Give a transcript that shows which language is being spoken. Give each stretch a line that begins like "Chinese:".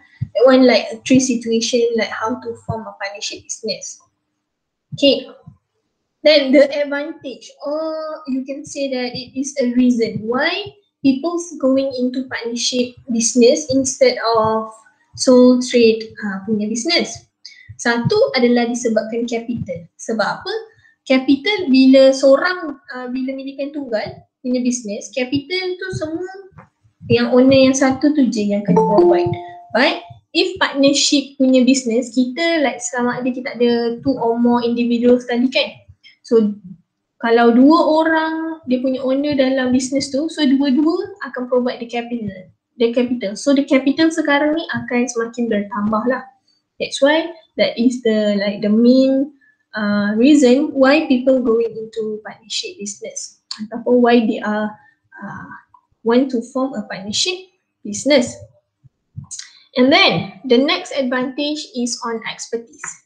English: That one like a three situation like how to form a partnership business. Okay. Then the advantage, or you can say that it is a reason why people's going into partnership business instead of sole trade punya business.
Malay: Satu adalah disebabkan capital. Sebab apa? Capital bila seorang bila milikan tunggal punya business, capital tu semua yang owner yang satu tu je yang kena provide.
English: But if partnership punya business,
Malay: kita like sama ada kita ada
English: two or more individuals
Malay: tadi kan. So kalau dua orang dia punya owner dalam business tu, so dua-dua akan
English: provide the capital.
Malay: So the capital sekarang ni akan semakin bertambah lah.
English: That's why that is the like the main reason why people going into partnership business ataupun why they are want to form a partnership business. And then the next advantage is on expertise.